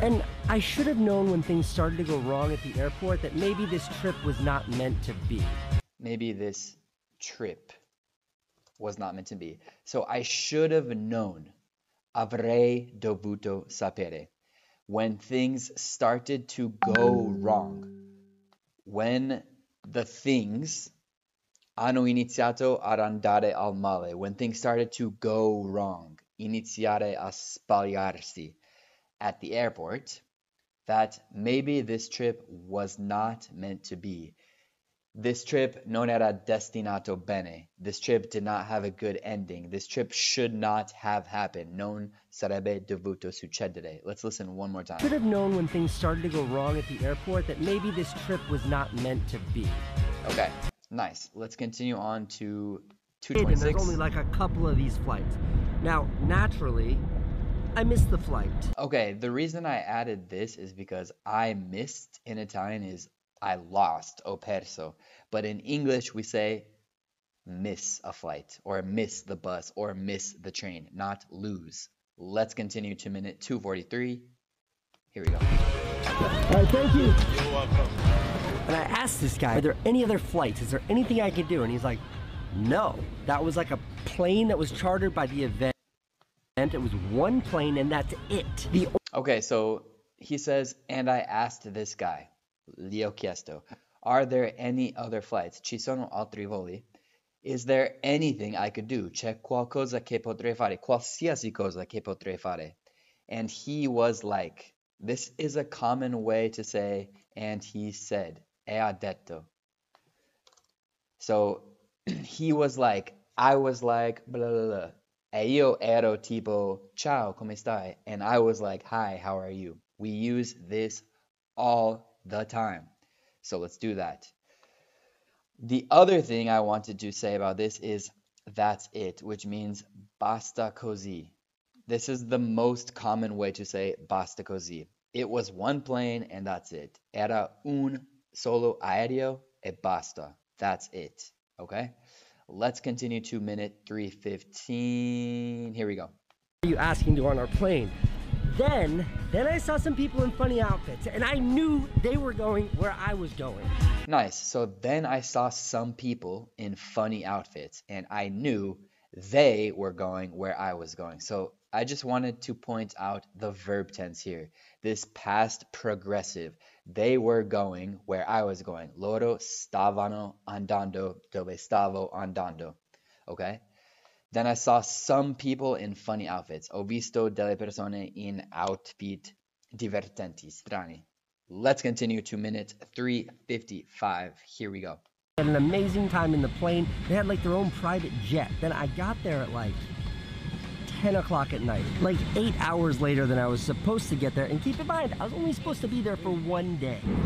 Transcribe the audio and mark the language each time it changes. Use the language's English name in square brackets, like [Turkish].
[English] And I should have known when things started to go wrong at the airport that maybe this trip was not meant to be. Maybe this trip was not meant to be. So I should have known. [Italian] Avrei dovuto sapere. [English] When things started to go wrong. When the things [Italian] hanno iniziato ad andare al male. [English] When things started to go wrong. [Italian] Iniziare a sbagliarsi. [English] At the airport. That maybe this trip was not meant to be. This trip [Italian] non era destinato bene. [English] This trip did not have a good ending. This trip should not have happened. [Italian] Non sarebbe dovuto succedere. [English] Let's listen one more time. Should have known when things started to go wrong at the airport that maybe this trip was not meant to be. Okay, nice. Let's continue on to 226. There's only like a couple of these flights. Now, naturally, I missed the flight. Okay, the reason I added this is because I missed in Italian is I lost, [Italian] ho perso. [English] But in English, we say miss a flight or miss the bus or miss the train, not lose. Let's continue to minute 243. Here we go. All right, thank you. You're welcome. And I asked this guy, are there any other flights? Is there anything I could do? And he's like, no. That was like a plane that was chartered by the event. And it was one plane and that's it. Okay, so he says, and I asked this guy. [Italian] Gli ho chiesto, [English] are there any other flights? [Italian] Ci sono altri voli? [English] Is there anything I could do? [Italian] C'è qualcosa che potrei fare? Qualsiasi cosa che potrei fare? [English] And he was like, this is a common way to say, and he said, [Italian] e ha detto. [English] So he was like, I was like, blah, blah, blah. [Italian] E io ero tipo, ciao, come stai? [English] And I was like, hi, how are you? We use this all the time. So let's do that. The other thing I wanted to say about this is that's it, which means [Italian] basta così. [English] This is the most common way to say [Italian] basta così. [English] It was one plane and that's it. [Italian] Era un solo aereo e basta. [English] That's it. Okay? Let's continue to minute 315. Here we go. Are you asking to go on our plane? Then I saw some people in funny outfits and I knew they were going where I was going. Nice. So then I saw some people in funny outfits and I knew they were going where I was going. So I just wanted to point out the verb tense here. This past progressive. They were going where I was going. [Italian] Loro stavano andando dove stavo andando. [English] Okay? Then I saw some people in funny outfits. [Italian] Ho visto delle persone in outfit divertenti, strani. [English] Let's continue to minute 355. Here we go. Had an amazing time in the plane. They had like their own private jet. Then I got there at like 10 o'clock at night, like 8 hours later than I was supposed to get there. And keep in mind, I was only supposed to be there for one day.